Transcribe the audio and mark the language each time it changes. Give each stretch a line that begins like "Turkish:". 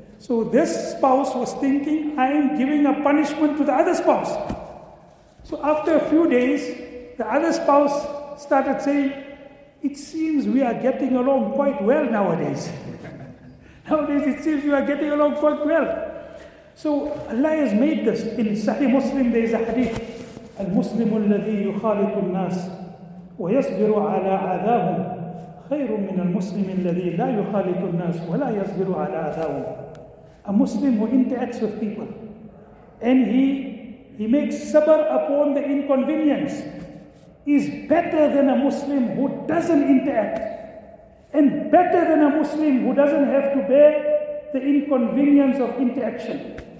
English: So this spouse was thinking, I am giving a punishment to the other spouse. So after a few days, the other spouse started saying, it seems we are getting along quite well nowadays. Nowadays it seems we are getting along quite well. So Allah has made this. In Sahih Muslim there is a hadith,
Arabic: Al-Muslimu alladhi yukhaliqu an-nas ويصبر على عذابهم خير من المسلم الذي لا يخالط الناس ولا يصبر على عذابهم.
English: A Muslim who interacts with people and he makes sabr upon the inconvenience is better than a Muslim who doesn't interact, and better than a Muslim who doesn't have to bear the inconvenience of interaction.